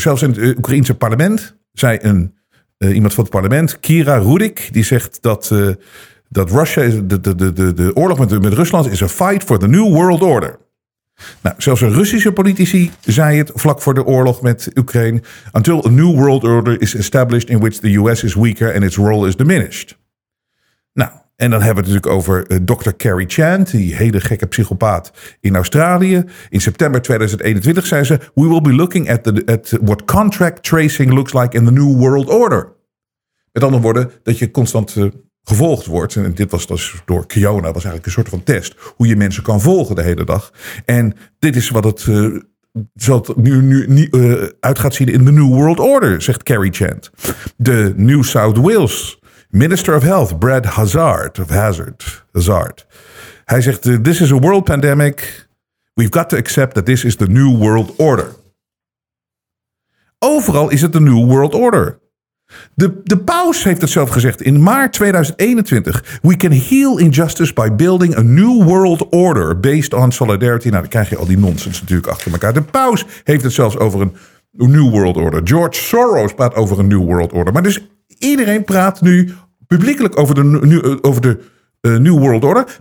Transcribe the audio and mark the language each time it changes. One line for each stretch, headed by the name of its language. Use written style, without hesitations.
Dutch: Zelfs in het Oekraïense parlement zei iemand van het parlement, Kira Rudik, die zegt dat dat Russia, de oorlog met Rusland is een
English: fight for the new world order.
Dutch: Nou, zelfs een Russische politici zei het vlak voor de oorlog met Oekraïne.
English: Until a new world order is established in which the US is weaker and its role is diminished.
Dutch: Nou, en dan hebben we het natuurlijk over Dr. Carrie Chan, die hele gekke psychopaat in Australië. In september 2021 zei ze,
English: we will be looking at what contract tracing looks like in the new world order.
Dutch: Met andere woorden, dat je constant gevolgd wordt, en dit was dus door Kiona, was eigenlijk een soort van test, hoe je mensen kan volgen de hele dag. En dit is wat het nu uit gaat zien in de New World Order, zegt Carrie Chant. De New South Wales Minister of Health, Brad Hazard. Hij zegt,
English: this is a world pandemic. We've got to accept that this is the New World Order.
Dutch: Overal is het de New World Order. De paus heeft het zelf gezegd in maart 2021.
English: We can heal injustice by building a new world order based on solidarity.
Dutch: Nou, dan krijg je al die nonsens natuurlijk achter elkaar. De paus heeft het zelfs over een new world order. George Soros praat over een new world order. Maar dus iedereen praat nu publiekelijk over de new world order.